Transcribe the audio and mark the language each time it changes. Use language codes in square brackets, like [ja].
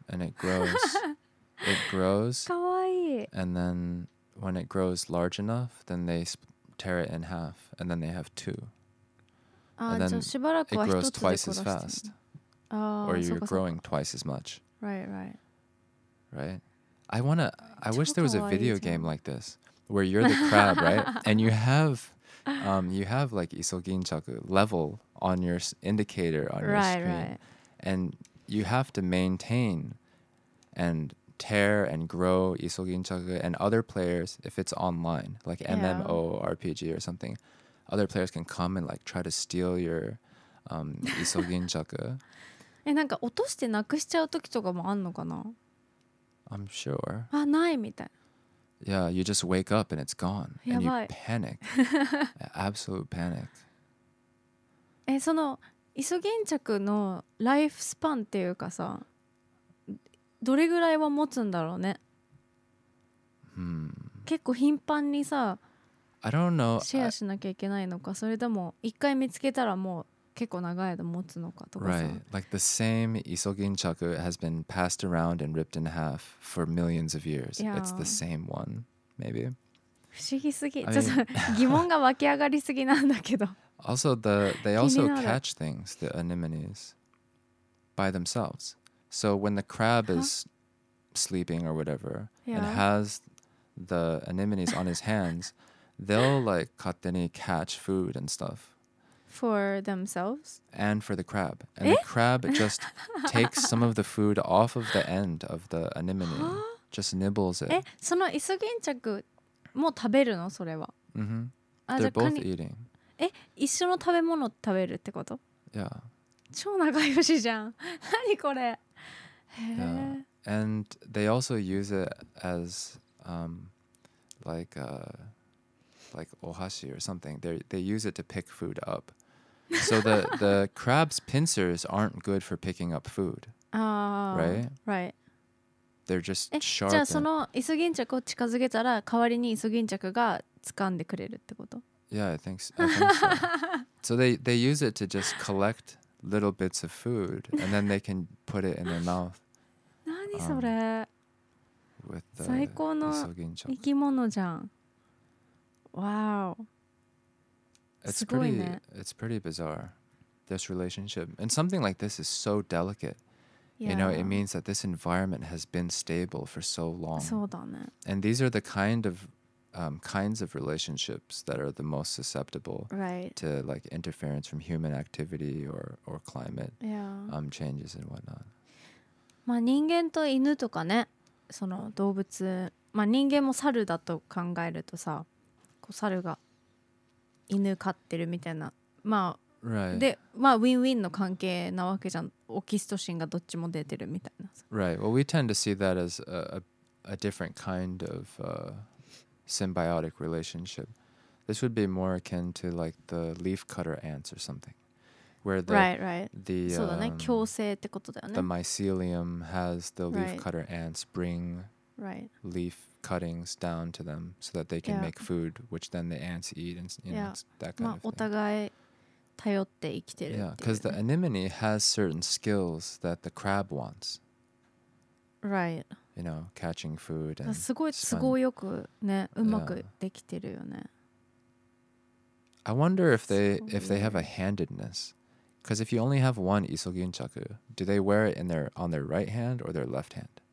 [en] And it grows. It grows. [ja] かわいい。 [en] And then when it grows large enough, then they tear it in half, and then they have two. [ja] ああ、じゃあしばらくは一つで殺してる。 [en] It grows twice as fast. [ja] ああ、そうか。 [en] Or you're growing twice as much. Right, right. Right? I wish there was a video game like this, where you're the crab, right? And you have... you have like isoginchaku level on your indicator on your right, screen right. And you have to maintain and tear and grow isoginchaku and other players, if it's online, like MMORPG or something, other players can come and like try to steal your isoginchaku. [ja] え、なんか落としてなくしちゃう時とかもあんのかな? [en] I'm sure. [ja] あ、ないみたい。 [en] Yeah, you just wake up and it's gone. And you panic. Absolute panic. [ja] え、その、イソギンチャクのライフスパンっていうかさ、どれぐらいは持つんだろうね。結構頻繁にさ、 [en] I don't know. [ja] シェアしなきゃいけないのか、それとも一回見つけたらもう結構長い間持つのかとかさ。 [en] Right, like the same isoginchaku has been passed around and ripped in half for millions of years. Yeah. It's the same one, maybe. [ja] 不思議すぎ。ちょっと疑問が湧き上がりすぎなんだけど。 [en] Also, they also catch things, the anemones, by themselves. So when the crab is sleeping or whatever, and has the anemones on his hands, they'll like [ja] 勝手に [en] catch food and stuff. For themselves? And for the crab. And the crab just takes some of the food off of the end of the anemone. just nibbles it. [ja] え、そのイソギンチャクも食べるの、それは。 [en] Mm-hmm. They're both eating. [ja] え、一緒の食べ物食べるってこと? [en] Yeah. [ja] 超仲良しじゃん。何これ。へえ。 [en] And they also use it as, like ohashi or something. They use it to pick food up. So the crab's pincers aren't good for picking up food. Right? They're just sharp. [ja] じゃあそのイソギンチャクを近づけたら代わりにイソギンチャクが掴んでくれるってこと? [en] Yeah, I think so. So they use it to just collect little bits of food and then they can put it in their mouth. [ja] 何それ? [en] With the isoginchaku. [ja] 最高の生き物じゃん。 [en] Wow. It's pretty bizarre, this relationship. And something like this is so delicate. Yeah. You know, it means that this environment has been stable for so long. [ja] そうだね。 [en] And these are the kinds of relationships that are the most susceptible to like interference from human activity or climate changes and whatnot. [ja] まあ人間と犬とかね、その動物、まあ人間も猿だと考えるとさ、猿が犬飼ってるみたいな、まあ、 [en] right. [ja] で、まあ、ウィンウィンの関係なわけじゃん。オキシトシンがどっちも出てるみたいな。 [en] Right. Well, we tend to see that as a different kind of symbiotic relationship. This would be more akin to like the leaf cutter ants or something, where the [ja] そうだね、共生ってことだよね。 [en] The mycelium has the leaf cutter ants bring leaf cuttings down to them so that they can make food, which then the ants eat and you know, that kind of thing. [ja] まあ、お互い頼って生きてる。 [en] Yeah, because the anemone has certain skills that the crab wants. Right. You know, catching food and [ja] すごい、すごいよくね、うまくできてるよね。 [en] I wonder if they have a handedness. Because if you only have one isoginchaku, do they wear it on their right hand or their left hand?